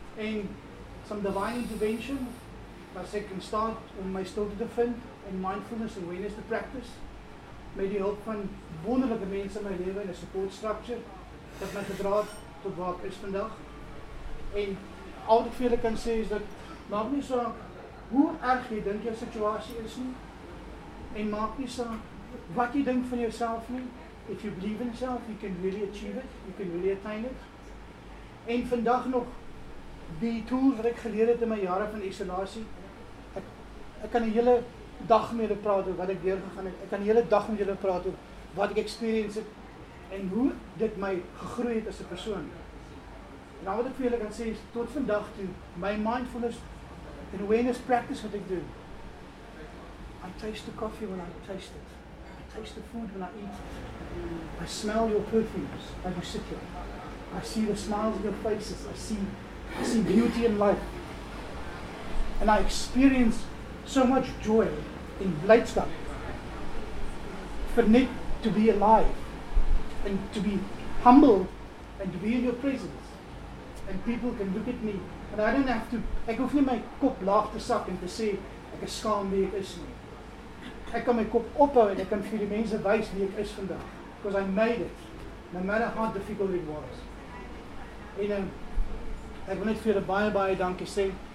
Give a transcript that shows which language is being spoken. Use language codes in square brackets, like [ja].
[af] En [en] some divine intervention [af] was ek in staat om my stilte te vind en [en] mindfulness and awareness to practice [af] met die hulp van wonderlike mense in my lewe en 'n [en] support structure [af] dat my gedra het tot waar ek is vandag. En al wat ek kan sê is dat maak nie saak hoe erg jy dink jou situasie is nie en maak nie saak wat jy dink van jouself nie. [en] If you believe in yourself, you can really achieve it, you can really attain it. [af] En vandag nog die tools wat ek geleer het in my jare van isolasie, ek kan die hele dag met julle praat oor wat ek deurgegaan het, ek kan die hele dag met julle praat oor wat ek experience het, en hoe dit my gegroei het as 'n persoon. En nou wat ek vir julle kan sê, is tot vandag toe, my [en] mindfulness and awareness practice [af] wat ek doen, [en] I taste the coffee when I taste it. I taste the food when I eat it. I smell your perfumes as you sit here. I see the smiles of your faces. I see beauty in life. And I experience so much joy in blydskap. For net to be alive and to be humble and to be in your presence. And people can look at me. And I don't have to, [af] ek hoef nie my kop laag te sak en te sê, ek is skaam wie ek is nie. Ek kan my kop ophou en ek kan vir die mense wys wie ek is vandag. [en] Because I made it, no matter how difficult it was. [af] En ek wil net vir julle baie, baie dankie sê.